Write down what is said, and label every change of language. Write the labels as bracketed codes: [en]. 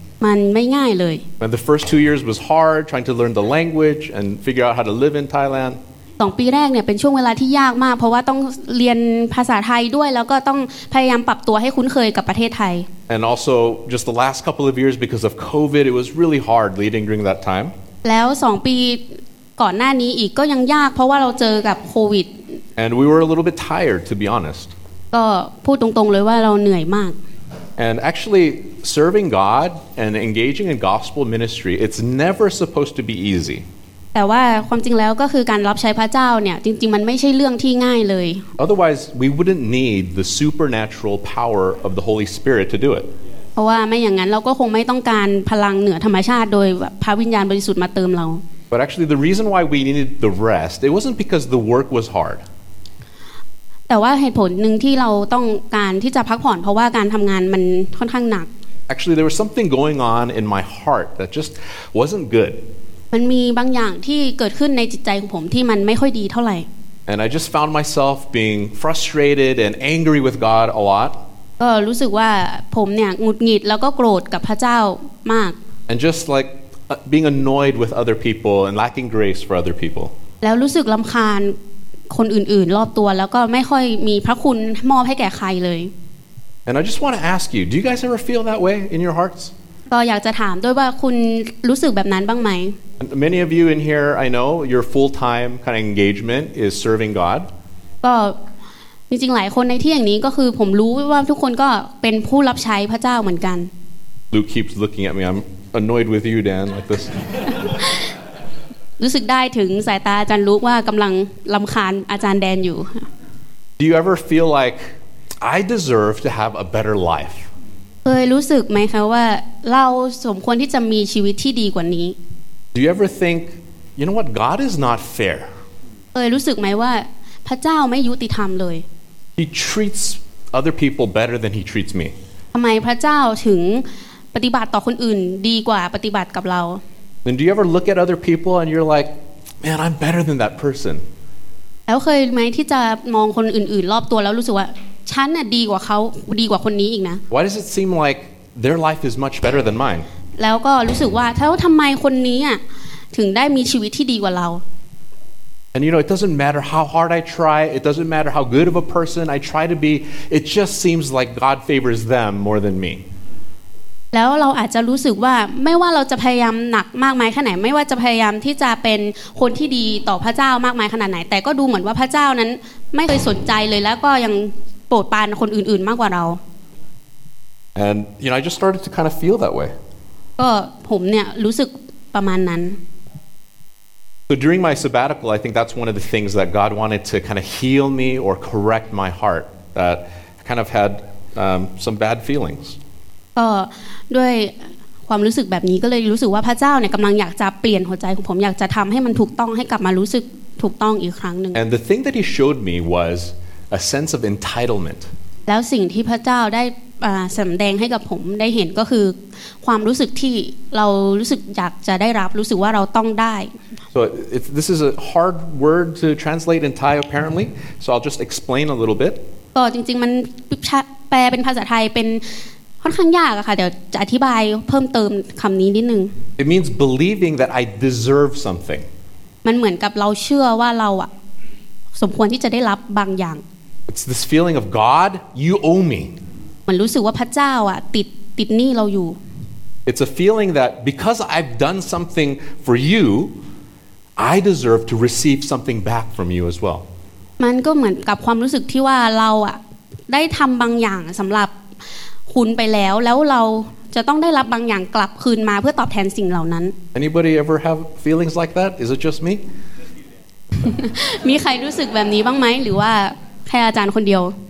[en] And the first 2 years was hard trying to learn the language and figure out how to live in Thailand. [th] 2ปีแรกเนี่ยเป็นช่วงเวลาที่ยากมากเพราะว่าต้องเรียนภาษาไทยด้วยแล้วก็ต้องพยายามปรับตัวให้คุ้นเคยกับประเทศไทย [en] And also just the last couple of years because of COVID it was really hard leading during that time [th] แล้ว2ปีก่อนหน้านี้อีกก็ยังยากเพราะว่าเราเจอกับโควิด [en] And we were a little bit tired to be honest [th] ก็พูดตรงๆเลยว่าเราเหนื่อยมาก [en] And actually serving God and engaging in gospel ministry it's never supposed to be easy [th] แต่ว่าความจริงแล้วก็คือการรับใช้พระเจ้าเนี่ยจริงๆมันไม่ใช่เรื่องที่ง่ายเลย [en] Otherwise we wouldn't need the supernatural power of the Holy Spirit to do it [th] เพราะว่าไม่อย่างนั้นเราก็คงไม่ต้องการพลังเหนือธรรมชาติโดยพระวิญญาณบริสุทธิ์มาเติมเรา [en] But actually the reason why we needed the rest it wasn't because the work was hard [th] แต่ว่าเหตุผลนึงที่เราต้องการที่จะพักผ่อนเพราะว่าการทำงานมันค่อนข้างหนัก [en] Actually there was something going on in my heart that just wasn't good [th] มันมีบางอย่างที่เกิดขึ้นในจิตใจของผมที่มันไม่ค่อยดีเท่าไหร่ [en] And I just found myself being frustrated and angry with God a lot [th] ก็รู้สึกว่าผมเนี่ยหงุดหงิดแล้วก็โกรธกับพระเจ้ามาก [en] And just like being annoyed with other people and lacking grace for other people [th] แล้วรู้สึกรำคาญคนอื่นๆรอบตัวแล้วก็ไม่ค่อยมีพระคุณมอบให้แก่ใครเลย [en] And I just want to ask you do you guys ever feel that way in your hearts [th] ก็อยากจะถามด้วยว่าคุณรู้สึกแบบนั้นบ้างไหม [en] Many of you in here, I know, your full-time kind of engagement is serving God. [th] ก็จริงๆหลายคนในที่อย่างนี้ก็คือผมรู้ว่าทุกคนก็เป็นผู้รับใช้พระเจ้าเหมือนกัน [en] Luke keeps looking at me. I'm annoyed with you, Dan, like this. [th] รู้สึกได้ถึงสายตาอาจารย์ลูกว่ากำลังรำคาญอาจารย์แดนอยู่ [en] Do you ever feel like I deserve to have a better life? [th] เคยรู้สึกไหมคะว่าเราสมควรที่จะมีชีวิตที่ดีกว่านี้ [en] Do you ever think, you know what, God is not fair? [th] เออรู้สึกไหมว่าพระเจ้าไม่ยุติธรรมเลย [en] He treats other people better than he treats me. [th] ทำไมพระเจ้าถึงปฏิบัติต่อคนอื่นดีกว่าปฏิบัติกับเรา [en] And do you ever look at other people and you're like, man, I'm better than that person? [th] แล้วเคยไหมที่จะมองคนอื่นๆรอบตัวแล้วรู้สึกว่าฉันน่ะดีกว่าเขาดีกว่าคนนี้อีกนะ [en] Why does it seem like their life is much better than mine? [th] แล้วก็รู้สึกว่าแล้วทำไมคนนี้อ่ะถึงได้มีชีวิตที่ดีกว่าเรา [en] And you know it doesn't matter how hard I try it doesn't matter how good of a person I try to be it just seems like God favors them more than me [th] แล้วเราอาจจะรู้สึกว่าไม่ว่าเราจะพยายามหนักมากมายแค่ไหนไม่ว่าจะพยายามที่จะเป็นคนที่ดีต่อพระเจ้ามากมายขนาดไหนแต่ก็ดูเหมือนว่าพระเจ้านั้นไม่เคยสนใจเลยแล้วก็ยังโปรดปรานคนอื่นๆมากกว่าเรา [en] And you know I just started to kind of feel that way [th] ก็ผมเนี่ยรู้สึกประมาณนั้น [en] So during my sabbatical I think that's one of the things that God wanted to kind of heal me or correct my heart that kind of had some bad feelings [th] ก็ด้วยความรู้สึกแบบนี้ก็เลยรู้สึกว่าพระเจ้าเนี่ยกำลังอยากจะเปลี่ยนหัวใจของผมอยากจะทำให้มันถูกต้องให้กลับมารู้สึกถูกต้องอีกครั้งนึง [en] And the thing that he showed me was a sense of entitlement [th] แล้วสิ่งที่พระเจ้าได้สำแดงให้กับผมได้เห็นก็คือความรู้สึกที่เรารู้สึกอยากจะได้รับรู้สึกว่าเราต้องได้ [en] So this is a hard word to translate in Thai apparently so I'll just explain a little bit [th] ก็จริงๆมันแปลเป็นภาษาไทยเป็นค่อนข้างยากอะค่ะเดี๋ยวจะอธิบายเพิ่มเติมคำนี้นิดนึง [en] It means believing that I deserve something [th] มันเหมือนกับเราเชื่อว่าเราอะสมควรที่จะได้รับบางอย่าง [en] It's this feeling of God you owe me [th] มันรู้สึกว่าพระเจ้าอะติดหนี้เราอยู่ [en] It's a feeling that because I've done something for you I deserve to receive something back from you as well [th] มันก็เหมือนกับความรู้สึกที่ว่าเราอะได้ทำบางอย่างสำหรับคุณไปแล้วแล้วเราจะต้องได้รับบางอย่างกลับคืนมาเพื่อตอบแทนสิ่งเหล่านั้น [en] Anybody ever have feelings like that? Is it just me? [th] มีใครรู้สึกแบบนี้บ้างไหมหรือว่าแค่อาจารย์คนเดียว